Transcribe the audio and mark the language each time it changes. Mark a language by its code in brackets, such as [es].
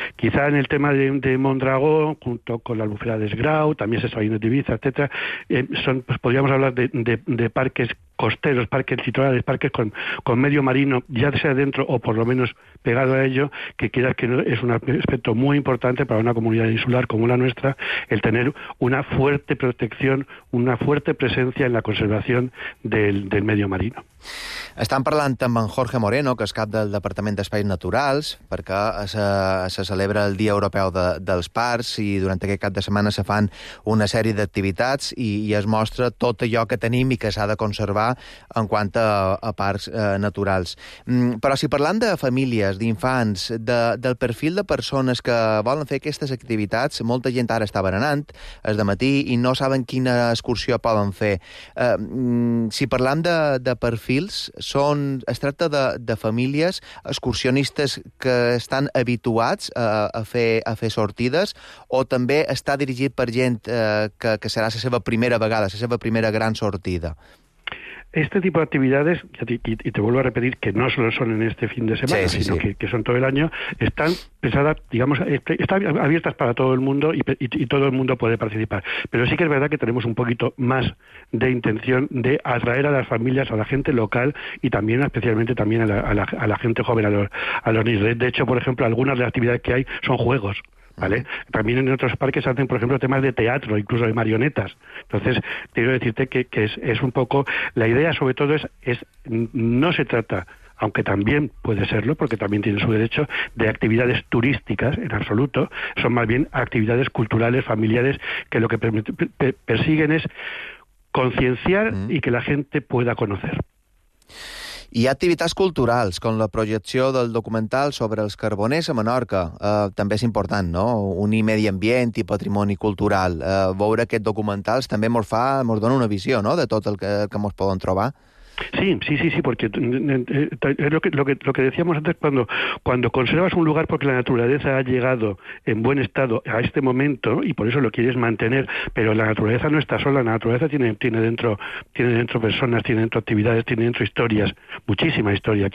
[es] Quizá en el tema de Mondragón, junto con la Albufera de Esgrau, también se sabe de Ibiza, etcétera, podríamos hablar de parques costeros, parques litorales, parques con medio marino, ya sea dentro o por lo menos pegado a ello, que quieras que no, es un aspecto muy importante para una comunidad insular como la nuestra, el tener una fuerte protección, una fuerte presencia en la conservación del medio marino. [ca] Estan parlant amb en Jorge Moreno, que és cap del Departament d'Espais Naturals, perquè se celebra el Dia Europeu dels Parcs i durant aquest cap de setmana se fan una sèrie d'activitats i es mostra tot allò que tenim i que s'ha de conservar en quant a parcs naturals. Però si parlem de famílies, d'infants, del perfil de persones que volen fer aquestes activitats, molta gent ara està berenant, és de matí, i no saben quina excursió poden fer. Si parlem de perfils, es tracta de famílies excursionistes que estan habituats a fer sortides, o també està dirigit per gent que serà la seva primera vegada, la seva primera gran sortida? [es] Este tipo de actividades, y te vuelvo a repetir que no solo son en este fin de semana, sí, sí, sino sí. Que son todo el año, están pensadas, digamos, están abiertas para todo el mundo y todo el mundo puede participar. Pero sí que es verdad que tenemos un poquito más de intención de atraer a las familias, a la gente local y también, especialmente, también a la gente joven, a los niños. De hecho, por ejemplo, algunas de las actividades que hay son juegos. ¿Vale? También en otros parques hacen, por ejemplo, temas de teatro, incluso de marionetas. Entonces, quiero decirte que es un poco... La idea, sobre todo, es no se trata, aunque también puede serlo, porque también tiene su derecho, de actividades turísticas, en absoluto. Son más bien actividades culturales, familiares, que lo que persiguen es concienciar y que la gente pueda conocer. [ca] Hi ha activitats culturals, com la projecció del documental sobre els carboners a Menorca. També és important, no?, unir medi ambient i patrimoni cultural. Veure aquests documentals també mos dona una visió, no?, de tot el que mos poden trobar. [es] Sí, porque es lo que decíamos antes, cuando conservas un lugar porque la naturaleza ha llegado en buen estado a este momento y por eso lo quieres mantener, pero la naturaleza no está sola, la naturaleza tiene dentro personas, tiene dentro actividades, tiene dentro historias, muchísima historia.